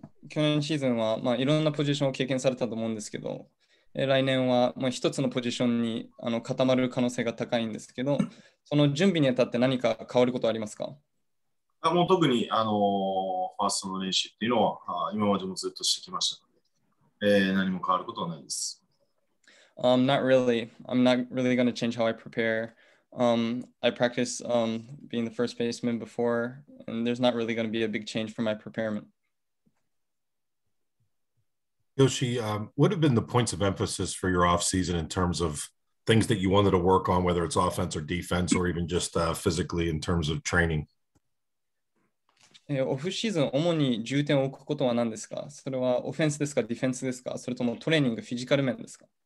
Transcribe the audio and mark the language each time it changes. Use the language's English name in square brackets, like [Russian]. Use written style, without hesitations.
[Japanese] 去年シーズンは、まあ、いろんなポジションを経験されたと思うんですけど、来年は、まあ、一つのポジションに固まる可能性が高いんですけど、その準備にあたって何か変わることありますか？もう特にファーストの練習っていうのは今までもずっとしてきましたので、何も変わることはないです。 [English] I'm not really going to change how I prepare. I practice being the first baseman before, and there's not really going to be a big change for my preparement. Yoshi, what have been the points of emphasis for your offseason in terms of things that you wanted to work on, whether it's offense or defense, or even just physically in terms of training? [Japanese] オフシーズン主に重点を置くことは何ですか？それはオフェンスですか、ディフェンスですか、それともトレーニング、フィジカル面ですか？